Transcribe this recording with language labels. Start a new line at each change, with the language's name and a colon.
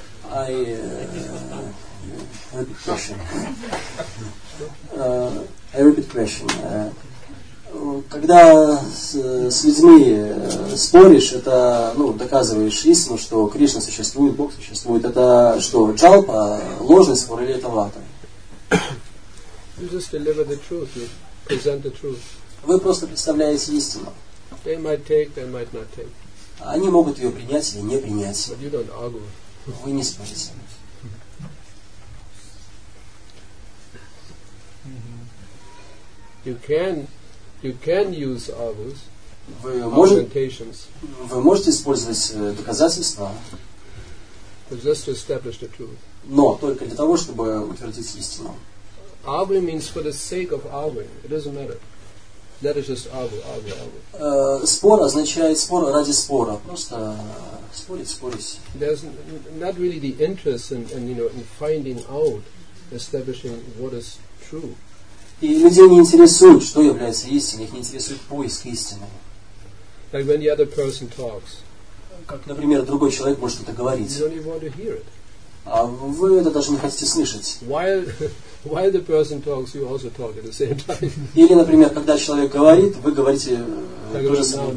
English: I repeat question.
Russian: Когда с людьми споришь, это, ну, доказываешь истину, что Кришна существует, Бог существует, это что, джалпа, ложность, вора или это вата?
English: You just deliver the truth, you present the truth.
Russian: Вы просто представляете истину.
English: They might take, they might not take.
Russian: Они могут ее принять или не принять.
English: But you don't argue.
Russian: Вы не спорите.
English: You can use others, argumentations.
Russian: Вы можете использовать доказательства,
English: but just to establish the truth.
Russian: Но только для того, чтобы утвердить истину.
English: Arguing means for the sake of arguing. It doesn't matter. That is just argue.
Russian: Спор означает спор ради спора. Просто спорить.
English: There's not really the interest in finding out, establishing what is true.
Russian: И людей не интересует, что является истиной, их не интересует поиск истины.
English: Like when the other person talks.
Russian: Как, например, другой человек может это говорить.
English: You don't want to hear it.
Russian: А вы это даже не хотите слышать.
English: While the person talks, you also talk at the same time.
Russian: Или, например, когда человек говорит, вы говорите тоже с